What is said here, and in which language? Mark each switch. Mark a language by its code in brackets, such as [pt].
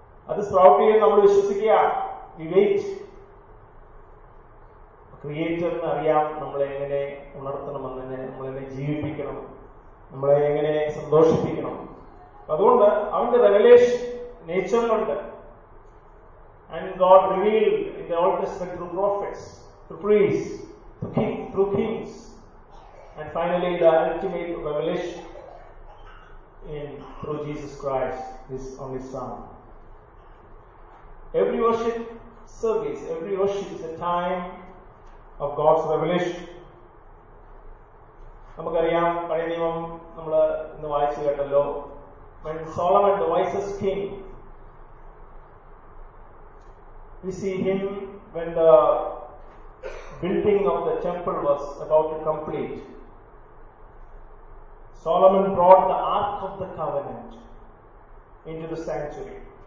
[ml] അത് സ്പ്രൗട്ട് ചെയ്യാൻ നമ്മൾ വിശ്വസിക്കുകയാണ്. [en] We wait. [ml] ക്രിയേറ്ററിന് അറിയാം നമ്മളെ എങ്ങനെ ഉണർത്തണമെന്ന്, നമ്മളെങ്ങനെ ജീവിപ്പിക്കണം, നമ്മളെ എങ്ങനെ സന്തോഷിപ്പിക്കണം. അതുകൊണ്ട് അവന്റെ revelation നേച്ചറിലുണ്ട്. [en] And God revealed in the Old Testament through prophets, through priests, through kings, and finally the ultimate revelation in through Jesus Christ, His only Son. Every worship service, every worship is a time of God's revelation. [ml] നമുക്കറിയാം, പഴയ നിയമം നമ്മൾ ഇന്ന് വായിച്ചു കേട്ടല്ലോ. [en] When Solomon, the wisest king, we see him when the building of the temple was about to complete. Solomon brought the Ark of the Covenant into the sanctuary.